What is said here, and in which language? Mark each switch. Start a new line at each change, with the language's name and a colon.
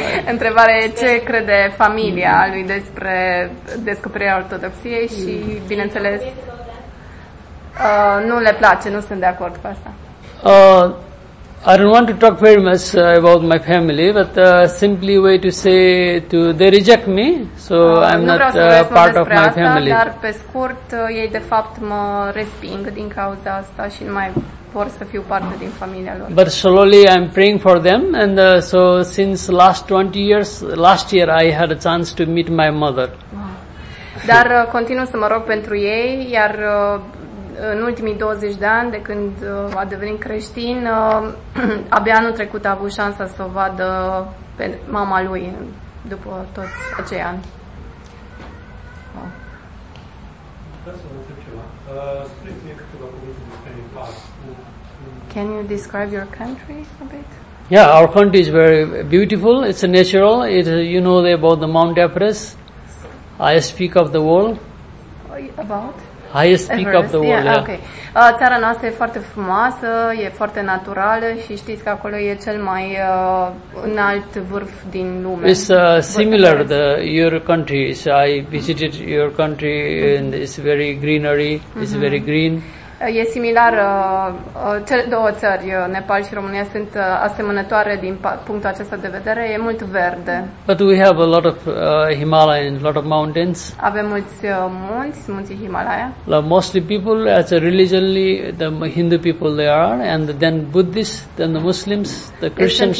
Romanian: Întrebarea e ce crede familia lui despre descoperirea ortodoxiei și, bineînțeles, nu le place, nu sunt de acord cu asta.
English: I don't want to talk very much about my family, but simply way to say to they reject me, so I'm not part of my family.
Romanian: Dar pe scurt, ei de fapt mă resping din cauza asta și nu mai vor să fiu parte din familia lor.
English: But slowly I'm praying for them, and so since last 20 years, last year I had a chance to meet my mother.
Romanian: Dar continuu să mă rog pentru ei, iar în ultimii 20 de ani, de când a devenit creștin, abia anul trecut a avut șansa să o vadă pe mama lui după toți acei ani.
English: Can you describe your country a bit? Yeah, our country is very beautiful. It's natural. You know about the Mount Everest, highest peak of the world. About? Highest peak of the world. Yeah. Okay.
Romanian: Țara noastră e foarte frumoasă, e foarte naturală și știți că acolo e cel mai înalt vârf din lume.
English: It's similar to your country. So I visited your country and it's very greenery. Mm-hmm. It's very green.
Romanian: E similar, cele două țări, Nepal și România, sunt asemănătoare din punctul acesta de vedere, e mult verde.
English: But we have a lot of Himalaya and a lot of mountains.
Romanian: Avem mulți munți, munții Himalaya.
English: La mostly people, as a religionally, the Hindu people they are, and then Buddhists, then the Muslims, the Christians